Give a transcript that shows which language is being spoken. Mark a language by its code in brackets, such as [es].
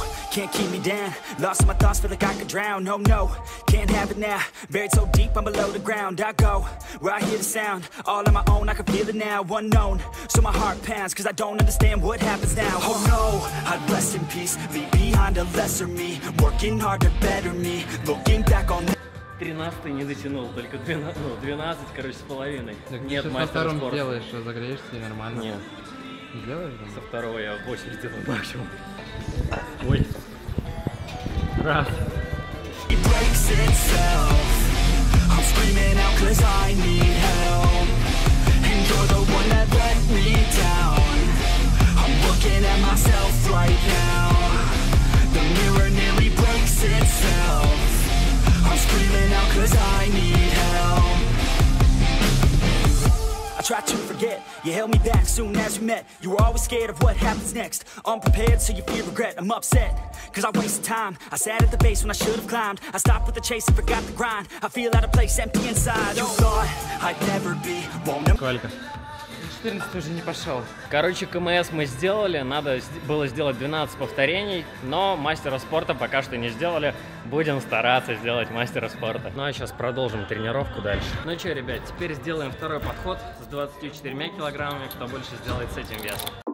[en] Can't keep me down, lost my thoughts, feel like I could drown. No, no, can't have it now, buried so deep, I'm below the ground. I go, where I hear the sound, all on my own, I can feel it now. Unknown, so my heart pounds, cause I don't understand what happens now. Oh no, I'd rest in peace, leave behind a lesser me. Working hard to better me, looking back on... [ru] 13-й не дотянул, только 12, ну, 12, короче, с половиной. Так, нет, мастер спорта. Так ты со вторым делаешь, загреешься, нормально. Нет. Делаешь, да? Со второго я 8 сделаю максимум. Ой. Раз. [en] It breaks itself. I'm screaming out cause I need help. And you're the one that let me down. I'm looking at myself right now. The mirror nearly breaks itself. I'm screaming out cause I need help. I tried to forget, you held me back soon as we met. You were always scared of what happens next. Unprepared, so you fear regret. I'm upset, cause I wasted time. I sat at the base when I should have climbed. I stopped with the chase and forgot the grind. I feel out of place, empty inside. You thought I'd never be one of... [ru] 14 уже не пошел. Короче, КМС мы сделали, надо было сделать 12 повторений, но мастера спорта пока что не сделали. Будем стараться сделать мастера спорта. Ну а сейчас продолжим тренировку дальше. Ну что, ребят, теперь сделаем второй подход с 24 килограммами, кто больше сделает с этим весом.